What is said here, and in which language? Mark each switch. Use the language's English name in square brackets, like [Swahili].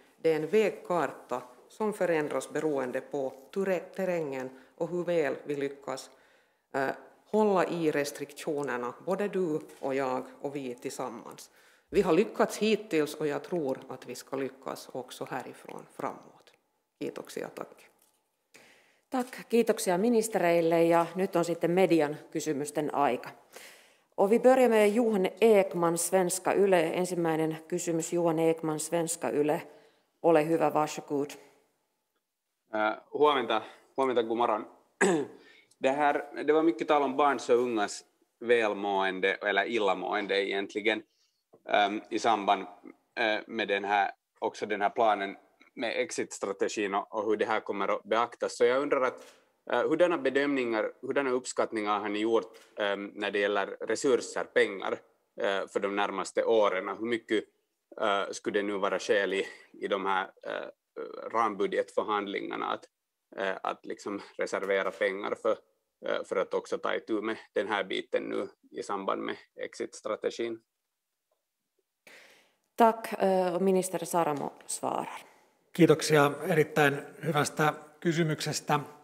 [Swedish] Det är en vägkarta som förändras beroende på terrängen och hur väl vi lyckas hålla i restriktionerna, både du och jag och vi tillsammans. Vi har lyckats hittills och jag tror att vi ska lyckas också härifrån framåt. [Finnish] Kiitoksia, [Swedish] tack. Tack, [Finnish] kiitoksia ministereille ja nyt on sitten median kysymysten aika. [Swedish] Och vi börjar med Johan Ekman, Svenska Yle. [Finnish] Ensimmäinen kysymys, Johan Ekman, Svenska Yle. Ole hyvä, [Swedish] varsågod. [Finnish] Huomenta, [Swedish] god morgon. Det var mycket tal om barns och ungas välmående, eller illamående egentligen, i samband med den här, också den här planen med exit-strategin och hur det här kommer att beaktas. Så jag undrar att hurdana bedömningar, hurdana uppskattningar har ni gjort när det gäller resurser, pengar för de närmaste åren? Hur mycket skulle det nu vara skäl i de här rambudgetförhandlingarna att liksom reservera pengar för att också ta itu med den här biten nu i samband med exit-strategin? Tack. Ministeri Saramo svarar. [Finnish] Kiitoksia erittäin hyvästä kysymyksestä.